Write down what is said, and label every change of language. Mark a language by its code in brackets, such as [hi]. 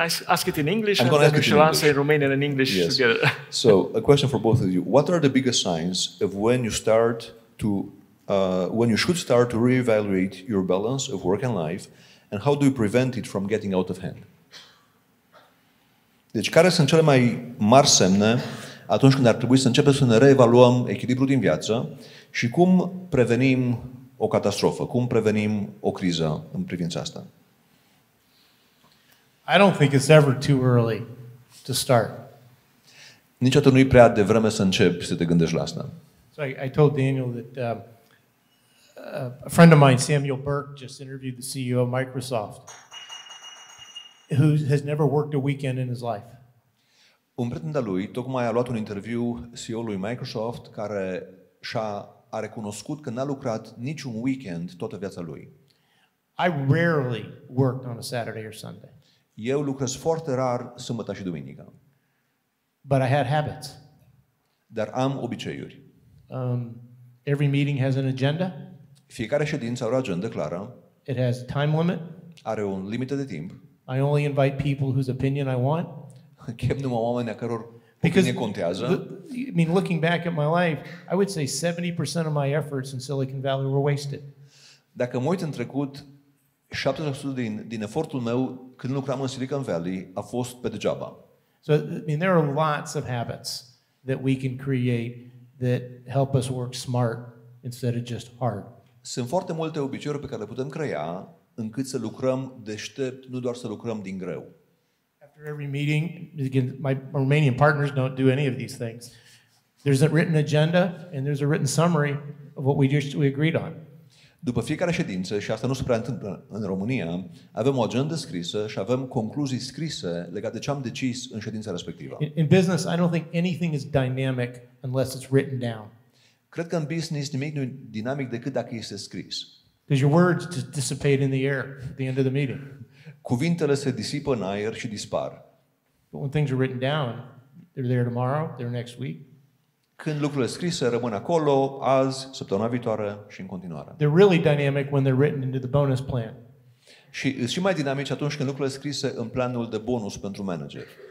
[en] Ask it in English, and then we shall answer in Romanian and English yes. together. So, a question for both of you. What are the biggest signs of when you start to, when you should start to reevaluate your balance of work and life, and how do you prevent it from getting out of hand? [ro] Deci, care sunt cele mai mari semne atunci când ar trebui să începem să ne reevaluăm echilibrul din viață și cum prevenim o catastrofă, cum prevenim o criză în privința asta? [en] I don't think it's ever too early to start. [ro] Niciodată nu e prea devreme să începi să te gândești la asta. [en] So I told Daniel that a friend of mine, Samuel Burke, just interviewed the CEO of Microsoft, who has never worked a weekend in his life. [ro] Un prieten de-a lui tocmai a luat un interviu CEO-ului Microsoft care și-a recunoscut că n-a lucrat niciun weekend toată viața lui. [en] I rarely worked on a Saturday or Sunday. [ro] Eu lucrez foarte rar sâmbătă și duminică. [en] But I had habits. [ro] Dar am obiceiuri. [en] Every meeting has an agenda. [ro] Fiecare ședință are o agendă clară. [en] It has a time limit. [ro] Are un limit de timp. [en] I only invite people whose opinion I want. [ro] Chem numai oamenii a căror opinie contează. [en] I mean, looking back at my life, I would say 70% of my efforts in Silicon Valley were wasted. [ro] Dacă mă uit în trecut, 70% din efortul meu când lucram în Silicon Valley a fost pe degeaba. [en] So, I mean, there are lots of habits that we can create that help us work smart instead of just hard. [ro] Sunt foarte multe obiceiuri pe care le putem crea încât să lucrăm deștept, nu doar să lucrăm din greu. [en] After every meeting, again, my Romanian partners don't do any of these things. There's a written agenda and there's a written summary of what we agreed on. [ro] După fiecare ședință, și asta nu se prea întâmplă în România, avem o agendă scrisă și avem concluzii scrise legate de ce am decis în ședința respectivă. [en] In business, I don't think anything is dynamic unless it's written down. [ro] Cred că în business nimic nu e dinamic decât dacă este scris. [en] Because your words just dissipate in the air at the end of the meeting. [ro] Cuvintele se disipă în aer și dispar. [en] But when things are written down, they're there tomorrow, they're next week. [ro] Când lucrurile scrise rămân acolo, azi, săptămâna viitoare și în continuare. [en] They're really dynamic when they're written into the bonus plan. [ro] Și sunt și mai dinamici atunci când lucrurile scrise în planul de bonus pentru manager.